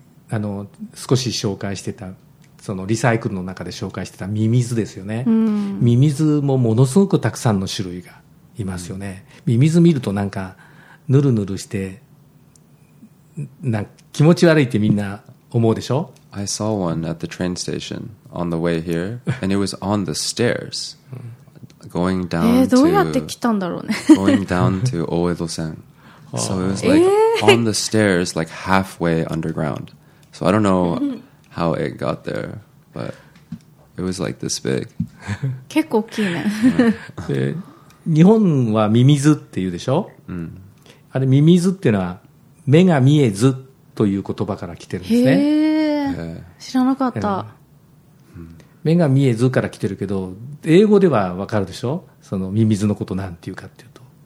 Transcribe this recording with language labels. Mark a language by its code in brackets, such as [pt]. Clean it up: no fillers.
[ja] あの少し紹介してた、そのリサイクルの中で紹介してたミミズですよね、うん、ミミズもものすごくたくさんの種類がいますよね、うん、ミミズ見るとなんかヌルヌルしてな気持ち悪いってみんな思うでしょ。 [en] I saw one at the train station on the way here and it was on the stairs going down to、 [ja] どうやって来たんだろうね。 [en] going down to 大江戸線 so it was like、on the stairs like halfway underground so I don't know how it got there but it was like this big [ja] 結構大きいね。日本はミミズって言うでしょ、うん、あれミミズっていうのは目が見えずという言葉から来てるんですね。へー、知らなかった。目が見えずから来てるけど、英語では分かるでしょ、そのミミズのことなんていうかっていうと、